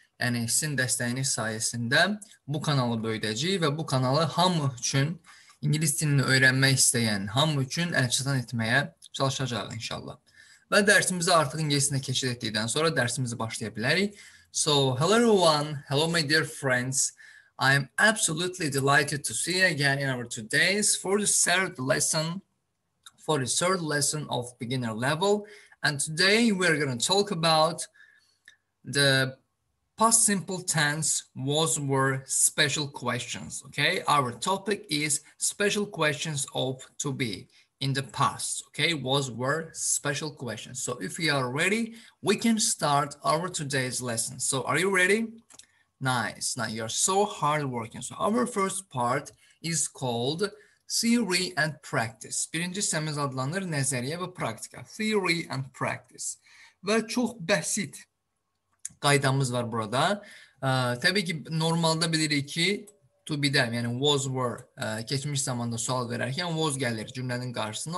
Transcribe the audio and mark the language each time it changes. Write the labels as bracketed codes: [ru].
[az] Yəni sizin dəstəyiniz sayəsində bu kanalı böyüdəcəyik və bu kanalı hamı üçün ingilis dilini öyrənmək istəyən hamı üçün əlçatan etməyə çalışacağıq inşallah. Və dərsimizi artıq ingilis dilində keçid etdikdən sonra dərsimizi başlaya bilərik. [en] So, hello everyone, hello my dear friends. I am absolutely delighted to see you again in our today's for the third lesson. For the third lesson of beginner level, and today we're going to talk about the past simple tense was, were special questions. Okay, our topic is special questions of to be in the past. Okay, was, were special questions. So if you are ready, we can start our today's lesson. So are you ready? Nice. Now you're so hardworking. So our first part is called Theory and Practice. [az] Birinci səhəmiz adlanır nəzəriyyə və praktika. [en] Theory and Practice. [az] Və çox bəsit qaydamız var burada. Təbii ki, normalda bilirik ki, to be them, yəni was, were, keçmiş zamanda sual verərkən was gəlir cümlənin qarşısına.